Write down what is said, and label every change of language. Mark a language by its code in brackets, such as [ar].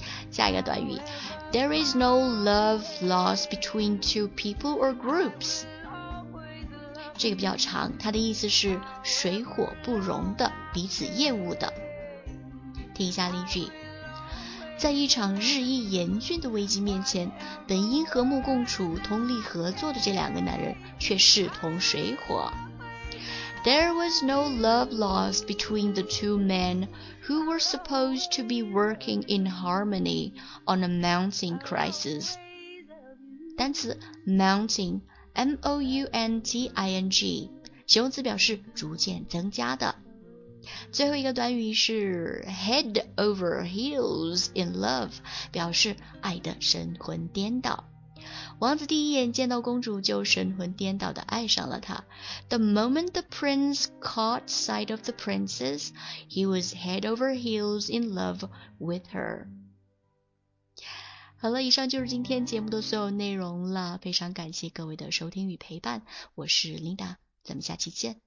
[zh] 下一个短语 [en] There is no love lost between two people or groups。 [zh] 这个比较长，它的意思是水火不容的、彼此厌恶的。听一下例句，在一场日益严峻的危机面前，本应和睦共处、通力合作的这两个男人却势同水火。 [en] There was no love lost between the two menWho were supposed to be working in harmony on a mounting crisis. [zh] 单词 mounting, M-O-U-N-T-I-N-G, 形容词表示逐渐增加的。最后一个短语是 [en] head over heels in love， [zh] 表示爱得神魂颠倒。王子第一眼见到公主就神魂颠倒地爱上了她。 [en] The moment the prince caught sight of the princess, he was head over heels in love with her。 [zh] 好了，以上就是今天节目的所有内容了，非常感谢各位的收听与陪伴，我是 Linda， 咱们下期见。